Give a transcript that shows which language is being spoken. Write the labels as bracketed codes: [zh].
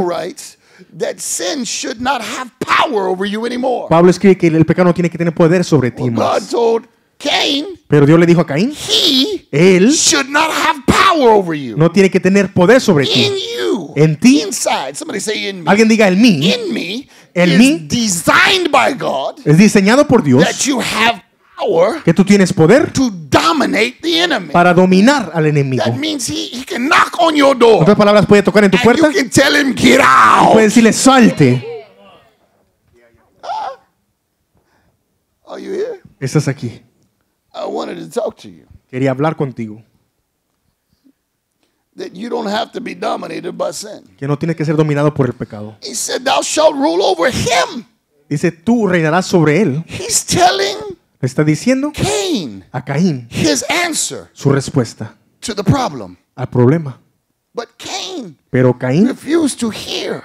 [en] Paul writes that sin should not have power over you anymore. [es] Pablo escribe que el pecado no tiene que tener poder sobre ti más. [en] God told Cain. [es] Pero Dios le dijo a Caín. [en] He. [es] Él. [en] Should not have power over you. [es] No tiene que tener poder sobre ti. [en] In you. [es] En ti. [en] Inside. Somebody say in me. [es] Alguien diga en mí. [en] In me. [es] En mí. [en] Designed by God. [es] Es diseñado por Dios. [en] That you have power. [es] Que tú tienes poder. [en] To dominate the enemy. [es] Para dominar al enemigo. [en] That means he can knock on your door. [es] En otras palabras, puede tocar en tu puerta. [en] And you can tell him get out. [es] Puedes decirle salte. [en] Are you here? [es] Estás aquí. [en] I wanted to talk to you. [es] Quería hablar contigo. [en] That you don't have to be dominated by sin. [es] Que no tienes que ser dominado por el pecado. [en] He said, "Thou shalt rule over him." [es] Dice, tú reinarás sobre él. [en] He's telling. [es] Está diciendo. [en] Cain. [es] A Caín. [en] His answer. [es] Su respuesta. [en] To the problem. [es] Al problema. [en] But Cain. [es] Pero Caín. [en] Refused to hear.